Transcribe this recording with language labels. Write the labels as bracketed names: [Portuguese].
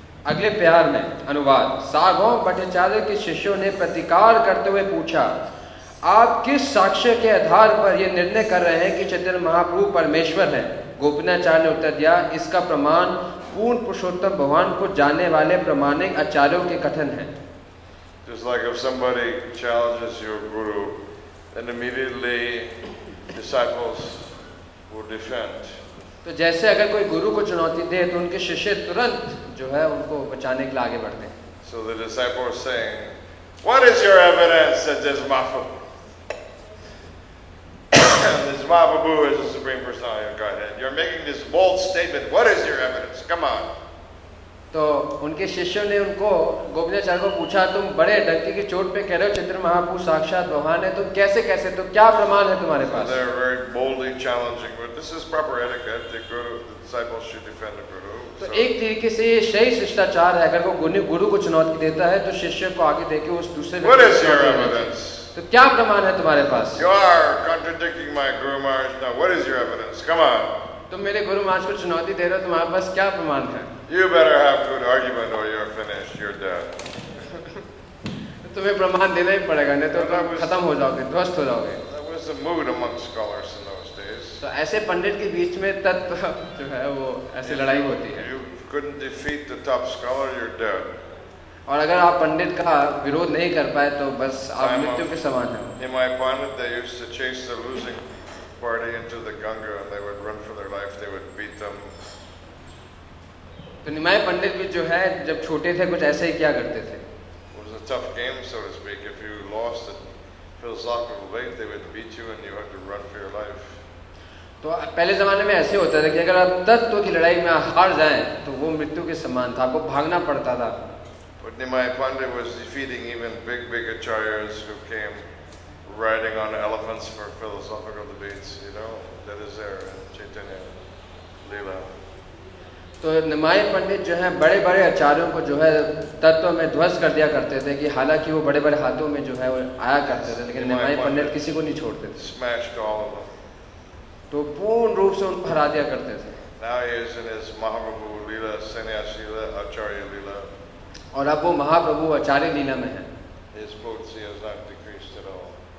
[Hindi] अगले प्यार में अनुवाद सागौ भट्टाचार्य के शिष्यों ने प्रतिकार करते हुए पूछा आप किस साक्ष्य के आधार पर यह निर्णय कर रहे हैं कि चैतन्य महाप्रभु परमेश्वर है गोपनाचार्य ने उत्तर दिया इसका प्रमाण पूर्ण पुरुषोत्तम भगवान को जानने वाले प्रमाणिक आचार्यों के कथन है [English] Just like if somebody challenges your guru, then immediately disciples will defend. [Hindi] तो जैसे अगर कोई गुरु को चुनौती दे तो उनके शिष्य तुरंत जो है उनको बचाने के लिए आगे बढ़ते हैं। [English] So the disciple is saying, "What is your evidence that this Mahaprabhu is the supreme personality of Godhead? You're making this bold statement. What is your evidence? Come on." [Hindi] तो उनके शिष्यों ने उनको गोपनाचार्य को पूछा तुम बड़े डंके की चोट पे कह रहे हो चैतन्य महाप्रभु साक्षात भगवान है तो कैसे कैसे तो क्या प्रमाण है तुम्हारे पास [English] They're very boldly challenging, but this is proper etiquette. The guru, the disciples should defend the guru. [Hindi] तो एक तरीके से ये सही शिष्टाचार है अगर वो गुरु को चुनौती देता है तो शिष्य को आगे देके उस दूसरे [English] What is your evidence? [Hindi] तो क्या प्रमाण है तुम्हारे पास [English] You are contradicting my guru Maharaj. Now, what is your evidence? Come on. [Hindi] तुम मेरे गुरु महाराज को चुनौती दे रहे हो तुम्हारे पास क्या प्रमाण है [English] You better have good argument or you're finished, you're dead. [Hindi] तुम्हें प्रमाण देना ही पड़ेगा नहीं तो खत्म हो जाओगे ध्वस्त हो जाओगे तो ऐसे पंडित के बीच में तत्व जो है वो ऐसे लड़ाई होती है [English] you couldn't defeat the top scholar, you're dead. [Hindi] और अगर आप पंडित का विरोध नहीं कर पाए तो बस आप मृत्यु के समान हैं [English] In my opponent, they used to chase the losing party into the Ganga and they would run for their life, they would beat them. [Hindi] तो निमाय पंडित भी जो है जब छोटे थे कुछ ऐसे ही क्या करते थे तो पहले जमाने में ऐसे होता था कि अगर आप तत्व की लड़ाई में हार जाए तो वो मृत्यु के समान था आपको भागना पड़ता था [English] But Nimai Pandit was defeating even big, big acharyas who came riding on elephants for philosophical debates, you know, that is their Chaitanya Leela. [Hindi] तो निमाय पंडित जो है बड़े बड़े आचार्यों को जो है तत्व में ध्वस्त कर दिया करते थे कि हालांकि वो बड़े बड़े हाथों में जो है वो आया करते थे लेकिन निमाय पंडित किसी को नहीं छोड़ते थे [English] smashed all of them. [Hindi] तो पूर्ण रूप से उनको हरा दिया करते थे [English] Now he is in his Mahaprabhu Leela, Sannyasi Leela, Acharya Leela. [Hindi] और अब वो महाप्रभु आचार्य लीला में है [English] his potency has not decreased at all.